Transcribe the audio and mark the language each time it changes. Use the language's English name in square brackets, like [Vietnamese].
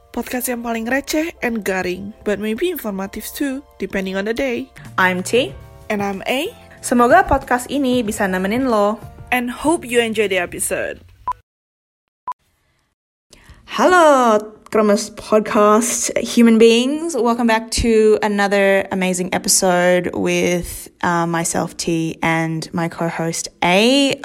[Indonesian] Podcast yang paling receh [English] and [Indonesian] garing, [English] but maybe informative too, depending on the day. I'm T. And I'm A. [Indonesian] Semoga podcast ini bisa nemenin lo. [English] And hope you enjoy the episode. Halo, Kremes Podcast human beings. Welcome back to another amazing episode with myself, T, and my co-host, A.